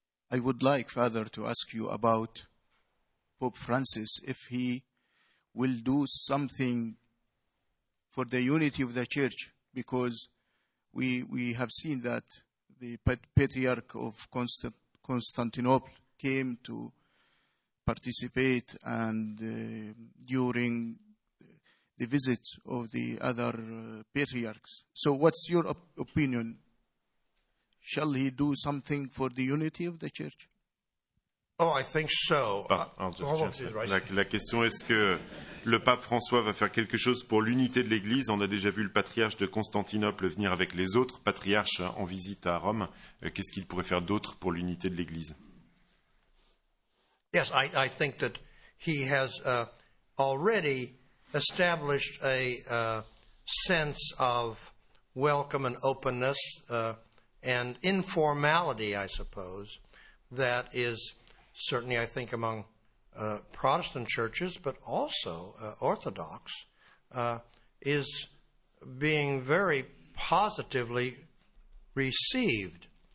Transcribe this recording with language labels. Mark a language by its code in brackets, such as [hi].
[en] I would like, Father, to ask you about Pope Francis, if he will do something for the unity of the Church, because we have seen that the Patriarch of Constantinople came to participate, and during the visit of the other patriarchs. So what's your opinion? Shall he do something for the unity of the Church? Oh, I think so. [fr] La question, est-ce que le pape François va faire quelque chose pour l'unité de l'Église? On a déjà vu le patriarche de Constantinople venir avec les autres patriarches en visite à Rome. Qu'est-ce qu'il pourrait faire d'autre pour l'unité de l'Église? [en] Yes, I think that he has already established a sense of welcome and openness and informality, I suppose, that is certainly, I think, among Protestant churches, but also Orthodox, is being very positively received.